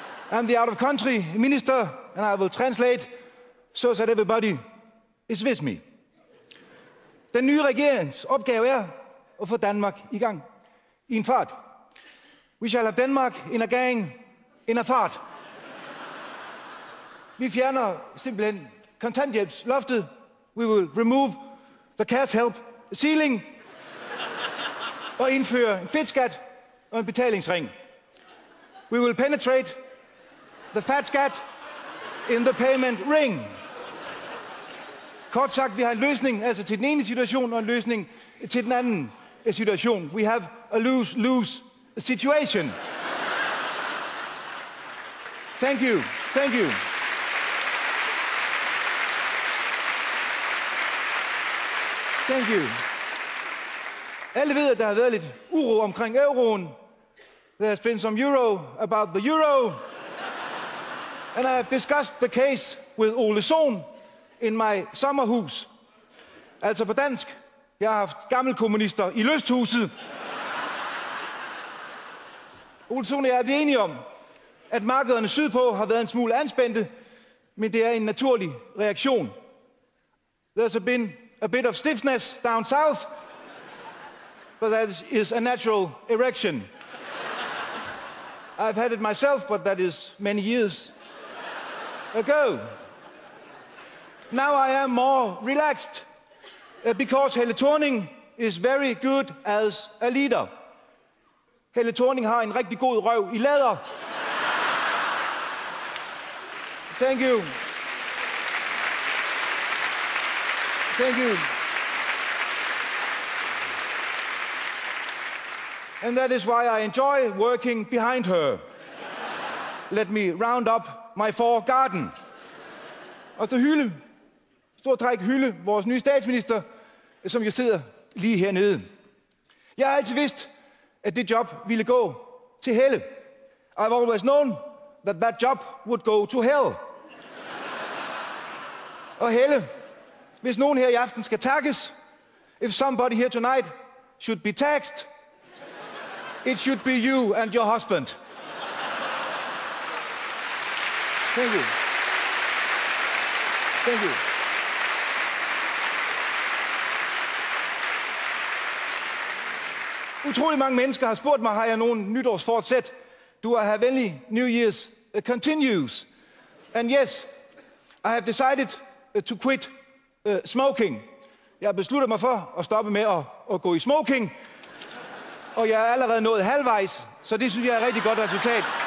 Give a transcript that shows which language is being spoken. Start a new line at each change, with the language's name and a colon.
English: I'm the out of country minister and I will translate so that everybody is with me.
Danish: Den nye regerings opgave er at få Danmark i gang. I en fart.
English: We shall have Denmark in a gang. In a fart.
Danish: Vi fjerner simpelthen kontanthjælpsloftet.
English: We will remove the cash help ceiling.
Danish: Og indføre en fedtskat og en betalingsring.
English: We will penetrate the fatskat in the payment ring.
Danish: Kort sagt, vi har en løsning altså til den ene situation og en løsning til den anden situation.
English: We have a lose-lose situation. Thank you. Thank you. Thank you.
Danish: Alle ved, at der har været lidt uro omkring euroen.
English: There has been some euro about the euro. And I have discussed the case with Ole Sohn in my sommerhus.
Danish: Altså på dansk, jeg har haft gamle kommunister i lysthuset. Ole Sohn og jeg er blevet enige om, at markederne sydpå har været en smule anspændte, men det er en naturlig reaktion.
English: There's been a bit of stiffness down south, but that is a natural erection. I've had it myself, but that is many years ago. Now I am more relaxed, because Helle Thorning is very good as a leader.
Danish: Helle Thorning har en rigtig god røv i læder.
English: Thank you. Thank you. And that is why I enjoy working behind her. Let me round up my four garden.
Danish: Og så hylde, stort træk hylde, vores nye statsminister, som jo sidder lige hernede. Jeg har altid vidst, at det job ville gå til Helle.
English: I've always known that that job would go to hell.
Danish: Og Helle, hvis nogen her i aften skal takkes,
English: if somebody here tonight should be taxed, it should be you and your husband. Thank you. Thank you.
Danish: Utrolig mange mennesker har spurgt mig, har jeg nogen nytårsfortsæt?
English: Do I have any New Year's continues? And yes, I have decided to quit smoking.
Danish: Jeg har besluttet mig for at stoppe med at gå i smoking. Og jeg er allerede nået halvvejs, så det synes jeg er et rigtig godt resultat.